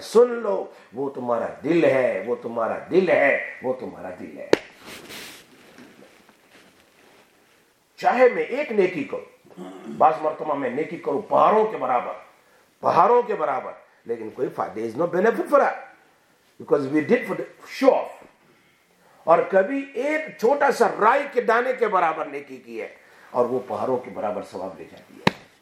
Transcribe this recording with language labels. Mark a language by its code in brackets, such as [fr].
[ur] سن لو, وہ تمہارا دل ہے, وہ تمہارا دل ہے, وہ تمہارا دل ہے. چاہے میں ایک نیکی کروں, بعض مرتبہ میں نیکی کروں پہاڑوں کے برابر, پہاڑوں کے برابر, لیکن کوئی فائدہ, [en] there is no benefit for that. Because we did for the show off. [ur] اور کبھی ایک چھوٹا سا رائی کے دانے کے برابر نیکی کی ہے اور وہ پہاڑوں کے برابر ثواب لے جاتی ہے.